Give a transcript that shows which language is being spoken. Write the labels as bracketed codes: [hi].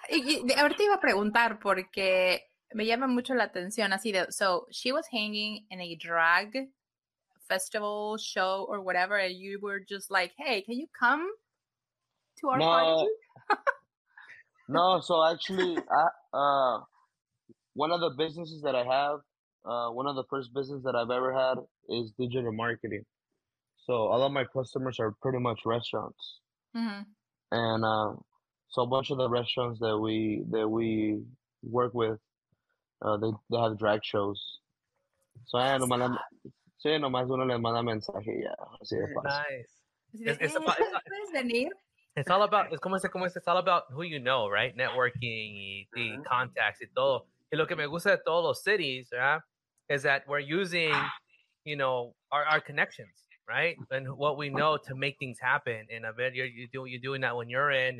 [es] Y ahorita iba a preguntar porque me llama mucho la atención. Así de, [en] so she was hanging in a drag festival show or whatever, and you were just like, hey, can you come to our party? No, so actually, one of the businesses that I have, one of the first businesses that I've ever had is digital marketing. So all of my customers are pretty much restaurants. Mm-hmm. And so a bunch of the restaurants that we work with, they have drag shows. [es] So I nomás uno le manda mensaje, [en] yeah. [es] Así de fácil. [en] Nice. It's all about, it's all about who you know, right? Networking, the contacts, it all. [es] Y lo que me gusta de todos los cities, [en] yeah, is that we're using, you know, our connections, right? And what we know to make things happen. And I bet you're doing that when you're in.